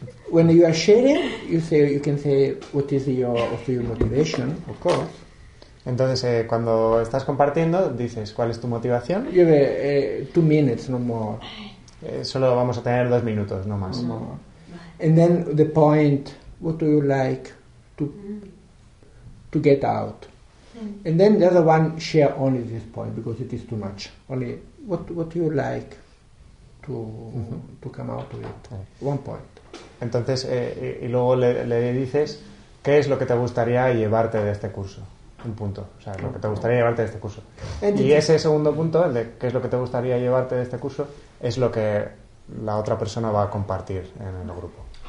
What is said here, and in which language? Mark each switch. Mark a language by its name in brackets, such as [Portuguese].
[English] When you are sharing, you can say what is your motivation, of course. [Spanish] Entonces, cuando estás compartiendo, dices, ¿cuál es tu motivación? [English] Lleve 2 minutes, no more. [Spanish] Solo vamos a tener 2 minutos, no más. [English] No more. And then the point, what do you like to get out? And then the other one share only this point, because it is too much. Only what do you like to come out of it? One point. [Spanish] Entonces, y luego le dices, ¿qué es lo que te gustaría llevarte de este curso? Un punto, o sea, lo que te gustaría llevarte de este curso. Y ese segundo punto, el de qué es lo que te gustaría llevarte de este curso, es lo que la otra persona va a compartir en el grupo.